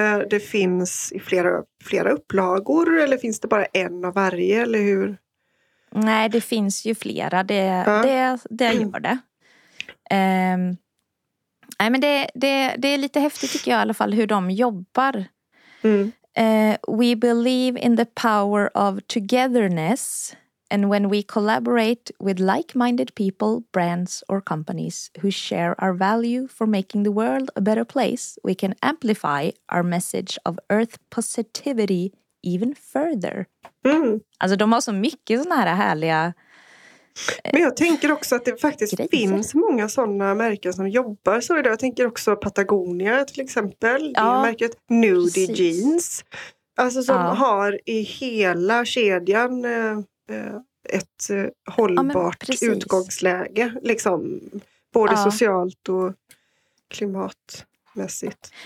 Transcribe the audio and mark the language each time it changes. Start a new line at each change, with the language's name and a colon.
Swedish: Det finns i flera upplagor, eller finns det bara en av varje, eller hur? Nej, det finns ju flera. Det gör det. Nej, men det är lite häftigt, tycker jag, i alla fall, hur de jobbar.
English: We believe in the power of togetherness, and when we collaborate with like-minded people, brands or companies who share our value for making the world a better place, we can amplify our message of earth positivity even further.
Swedish: Alltså, de har så mycket såna här härliga. Men jag tänker också att det faktiskt finns många sådana märken som jobbar så idag. Jag tänker också Patagonia till exempel, märket Nudie Jeans. Alltså som har i hela kedjan ett hållbart utgångsläge, liksom både socialt och klimatmässigt.